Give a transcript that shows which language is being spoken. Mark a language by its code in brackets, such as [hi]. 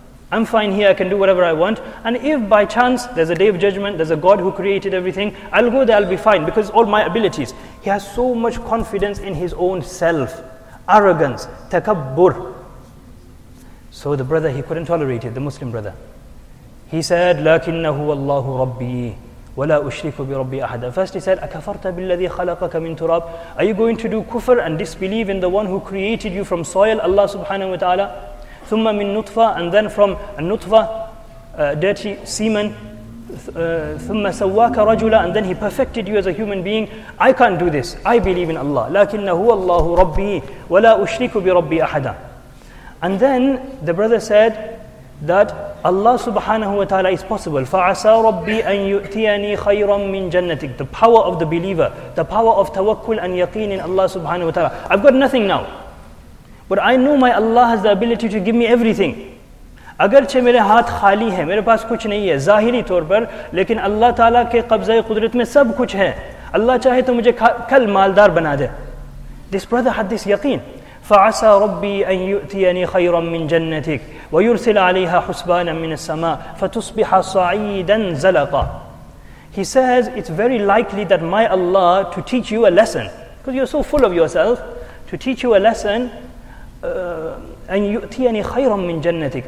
[en] I'm fine here, I can do whatever I want. And if by chance there's a Day of Judgment, there's a God who created everything, I'll go there, I'll be fine, because all my abilities. He has so much confidence in his own self. Arrogance, takabbur. So the brother, he couldn't tolerate it, the Muslim brother. [ar] He said, لَكِنَّهُ وَاللَّهُ رَبِّي وَلَا أُشْرِكُ بِرَبِّي أَحَدًا. First he said, أَكَفَرْتَ بِالَّذِي خَلَقَكَ مِنْ تُرَابٍ. [en] Are you going to do kufr and disbelieve in the one who created you from soil, Allah subhanahu wa ta'ala? [ar] ثم من نطفة, [en] and then from النطفة, dirty semen. [ar] ثم سواك رجلا, [en] and then he perfected you as a human being. I can't do this. I believe in Allah. [ar] لكنه الله ربي ولا أشرك بربي أحدا. [en] And then the brother said that Allah subhanahu wa ta'ala is possible. [ar] فعسى ربي أن يؤتيني خيرا من جنتك. [en] The power of the believer, the power of tawakkul and yaqeen in Allah subhanahu wa ta'ala. I've got nothing now, but I know my Allah has the ability to give me everything. [ur] اگرچہ میرے ہاتھ خالی ہیں, میرے پاس کچھ نہیں ہے ظاہری طور پر, لیکن اللہ تعالیٰ کے قبضہ قدرت میں سب کچھ ہے. اللہ چاہے تو مجھے کل مالدار بنا دے. [en] This brother had this yaqeen. [ar] فَعَسَى رَبِّي أَن يُؤْتِيَنِي خَيْرًا مِّن جَنَّتِكَ وَيُرْسِلَ عَلَيْهَا حُسْبَانًا مِّنَ السَّمَاءِ فَتُصْبِحَ صَعِيدًا زَلَقًا. [en] He says, it's very likely that my Allah to teach you a lesson, because you're so full of yourself, to teach you a lesson, and [ar] يُؤْتِيَنِي خَيْرًا مِّن جَنَّتِكَ.